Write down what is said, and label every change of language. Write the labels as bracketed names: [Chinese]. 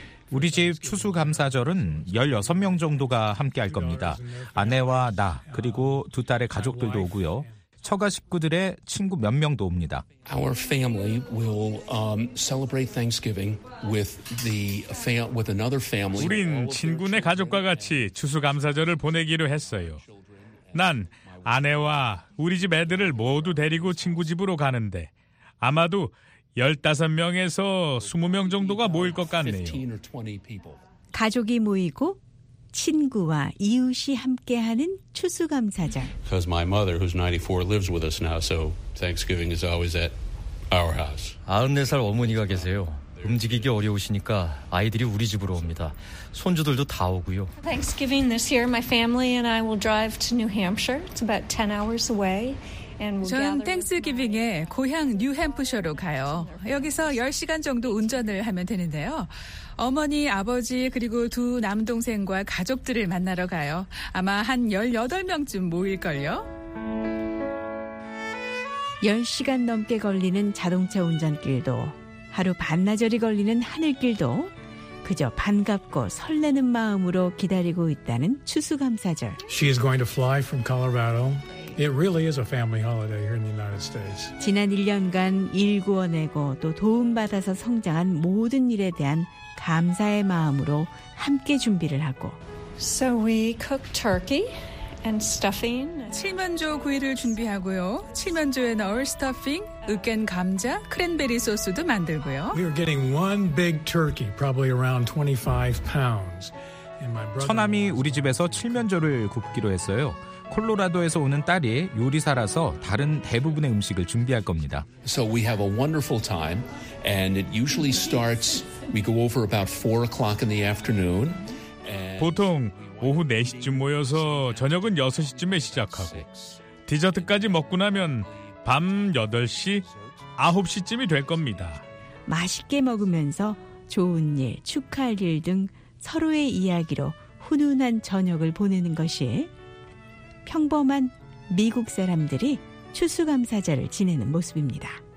[Korean] 우리 집 추수감사절은 16명 정도가 함께 할 겁니다. 아내와 나, 그리고 두 딸의 가족들도 오고요. 처가 식구들의 친구 몇 명도 옵니다. [English] Our family will celebrate Thanksgiving with the with another family. [Korean] 우린 친구네 가족과 같이 추수감사절을 보내기로 했어요. 난 아내와 우리 집 애들을 모두 데리고 친구 집으로 가는데 아마도 15명에서 20명 정도가 모일 것 같네요. 가족이 모이고 친구와 이웃이 함께하는 추수감사절. [English] Because my mother, who's 94, lives with us now, so Thanksgiving is always at our house. [Korean] 94살 어머니가 계세요. 움직이기 어려우시니까 아이들이 우리 집으로 옵니다. 손주들도 다 오고요. [English] Thanksgiving this year, my family and I will drive to New Hampshire. It's about 10 hours away. [Korean] 저는 땡스기빙에 고향 뉴햄프셔로 가요. 여기서 10시간 정도 운전을 하면 되는데요. 어머니, 아버지, 그리고 두 남동생과 가족들을 만나러 가요. 아마 한 18명쯤 모일걸요. 10시간 넘게 걸리는 자동차 운전길도 하루 반나절이 걸리는 하늘길도 그저 반갑고 설레는 마음으로 기다리고 있다는 추수감사절. [English] She is going to fly from Colorado. It really is a family holiday here in the United States. [Korean] 지난 1년간 일구어내고 또 도움받아서 성장한 모든 일에 대한 감사의 마음으로 함께 준비를 하고. [English] So we cook turkey and stuffing. [Korean] 칠면조 구이를 준비하고요. 칠면조에 넣을 스타핑, 으깬 감자, 크랜베리 소스도 만들고요. [English] We are getting one big turkey, probably around 25 pounds. [Korean] 처남이 우리 집에서 칠면조를 굽기로 했어요. 콜로라도에서 오는 딸이 요리사라서 다른 대부분의 음식을 준비할 겁니다. [English] So we have a wonderful time, and it usually starts. We go over about 4 o'clock in the afternoon. [Korean] 보통 오후 4시쯤 모여서 저녁은 6시쯤에 시작하고 디저트까지 먹고 나면 밤 8시, 9시쯤이 될 겁니다. 맛있게 먹으면서 좋은 일, 축하할 일 등 서로의 이야기로 훈훈한 저녁을 보내는 것이 평범한 미국 사람들이 추수감사절을 지내는 모습입니다.